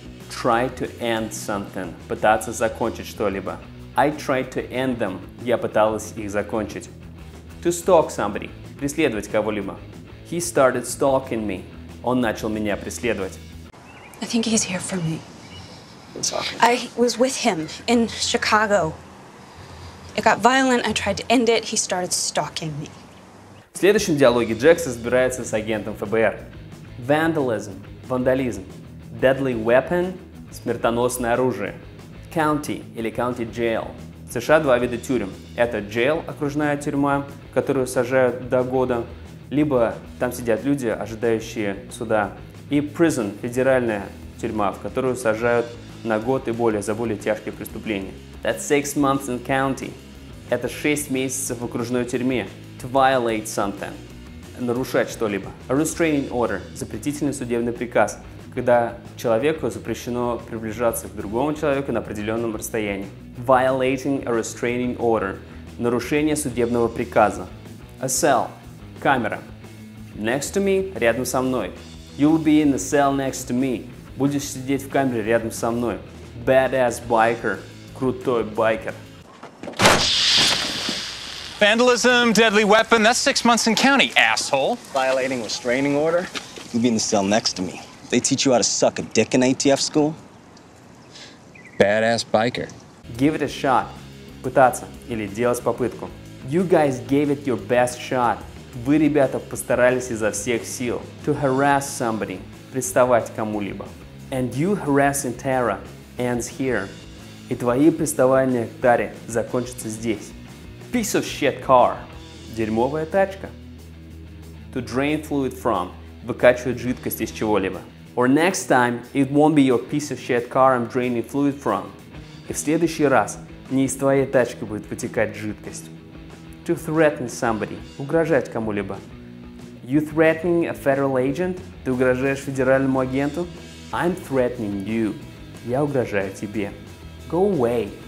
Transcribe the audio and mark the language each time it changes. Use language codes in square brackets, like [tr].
[en] Try to end something. [ru] Пытаться закончить что-либо. [en] I tried to end them. [ru] Я пыталась их закончить. [en] To stalk somebody. [ru] Преследовать кого-либо. [en] He started stalking me. [ru] Он начал меня преследовать. [en] I think he's here for me. What's happening? I was with him in Chicago. It got violent. I tried to end it. He started stalking me. [ru] В следующем диалоге Джекс разбирается с агентом ФБР. [en] Vandalism. [ru] Вандализм. [en] Deadly weapon. [ru] Смертоносное оружие. [en] County или county jail. [ru] В США два вида тюрем. Это jail, окружная тюрьма, которую сажают до года. Либо там сидят люди, ожидающие суда. И prison, федеральная тюрьма, в которую сажают на год и более за более тяжкие преступления. [en] That's 6 months in county. [ru] Это 6 месяцев в окружной тюрьме. [en] To violate something. [ru] Нарушать что-либо. [en] A restraining order. [ru] Запретительный судебный приказ. Когда человеку запрещено приближаться к другому человеку на определенном расстоянии. [en] Violating a restraining order. [ru] Нарушение судебного приказа. [en] A cell. [ru] Камера. [en] Next to me. [ru] Рядом со мной. [en] You'll be in the cell next to me. [ru] Будешь сидеть в камере рядом со мной. [en] Badass biker. [ru] Крутой байкер. [en] Vandalism, deadly weapon, that's 6 months in county, asshole. Violating restraining order? You'll be in the cell next to me. They teach you how to suck a dick in ATF school? Badass biker. Give it a shot. [ru] Пытаться или делать попытку. [en] You guys gave it your best shot. [ru] Вы, ребята, постарались изо всех сил. [en] To harass somebody. [ru] Приставать кому-либо. [en] And you harassing Tara ends here. [ru] И твои приставания к Таре закончатся здесь. [en] Piece of shit car. [ru] Дерьмовая тачка. [en] To drain fluid from. [ru] Выкачивать жидкость из чего-либо. [en] Or next time, it won't be your piece of shit car I'm draining fluid from. [ru] И в следующий раз не из твоей тачки будет вытекать жидкость. [en] To threaten somebody. [ru] Угрожать кому-либо. [en] You threatening a federal agent? [ru] Ты угрожаешь федеральному агенту? [en] I'm threatening you. [ru] Я угрожаю тебе. [en] Go away.